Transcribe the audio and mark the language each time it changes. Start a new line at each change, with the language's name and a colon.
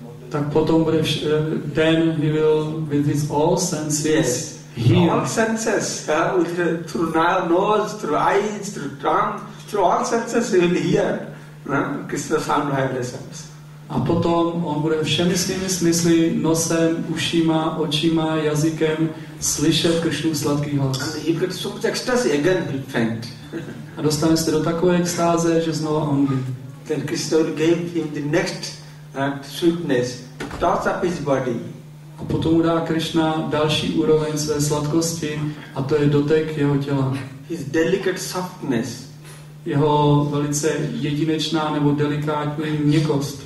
Czech: Tak potom bude
English: then he will with his all senses. Yes. Hear. All senses. Huh? Through nose, through eyes, through tongue, through all senses he will hear. No? Krishna sound vibrations.
Czech: A potom on bude všemi svými smysly, nosem, ušima, očima, jazykem slyšet Krishnův sladký hlas.
English: And he'll get so much ecstasy again, he'll faint.
Czech: A dostane se do takové extáze, že znova on by.
English: Then Krishna gave him the next sweetness, tops up his body.
Czech: A potom mu dá Krishna další úroveň své sladkosti a to je dotek jeho těla.
English: His delicate softness.
Czech: Jeho velice jedinečná nebo delikátní měkost.